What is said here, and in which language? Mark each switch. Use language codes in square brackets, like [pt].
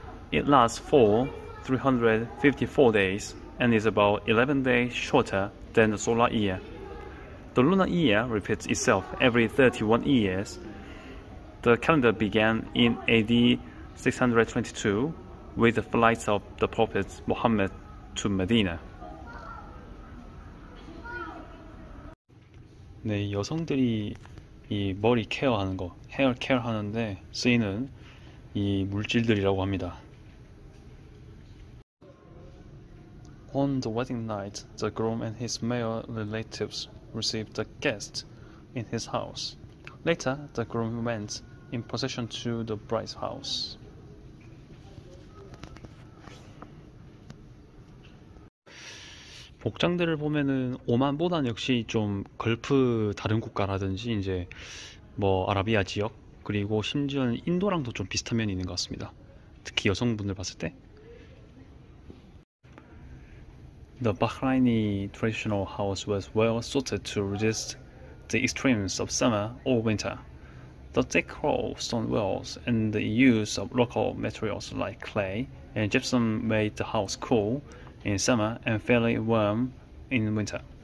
[en] It lasts for 354 days and is about 11 days shorter than the solar year. The lunar year repeats itself every 31 years. The calendar began in AD 622 with the flight of the Prophet Muhammad to Medina. [ko] 네, 여성들이 이 머리 케어하는 거, 헤어 케어 하는데 쓰이는 이 물질들이라고 합니다. [en] On the wedding night, the groom and his male relatives received a guest in his house. Later, the groom went in procession to the bride's house. [ko] 복장들을 보면은 오만보다는 역시 좀 걸프 다른 국가라든지 이제 뭐 아라비아 지역 그리고 심지어는 인도랑도 좀 비슷한 면이 있는 것 같습니다. 특히 여성분들 봤을 때. [en] The Bahraini traditional house was well suited to resist the extremes of summer or winter. The thick stone walls and the use of local materials like clay and gypsum made the house cool in summer and fairly warm in winter.